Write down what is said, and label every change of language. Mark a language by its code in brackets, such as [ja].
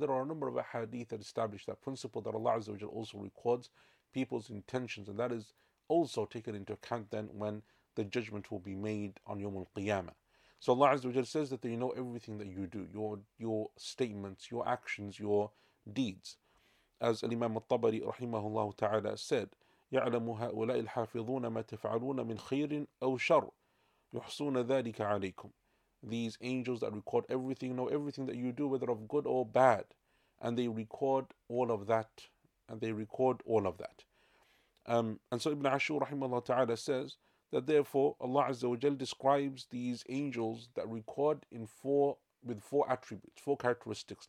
[en] And there are a number of hadith that establish that principle, that Allah Azza wa Jalla also records people's intentions, and that is also taken into account then when the judgment will be made on Yawm al-Qiyamah. So Allah Azza wa Jalla says that they know everything that you do, your statements, your actions, your deeds. As Imam al-Tabari rahimahullah ta'ala said, [ar] يَعْلَمُ هَؤُلَاءِ الْحَافِظُونَ مَا تَفْعَلُونَ مِنْ خَيْرٍ أَوْ شَرٍ يُحْصُونَ ذَلِكَ عَلَيْكُمْ. [en] These angels that record everything know everything that you do, whether of good or bad, and they record all of that, and they record all of that. And so Ibn Ashur rahimahullah ta'ala says that therefore Allah Azza wa Jal describes these angels that record with four attributes, four characteristics.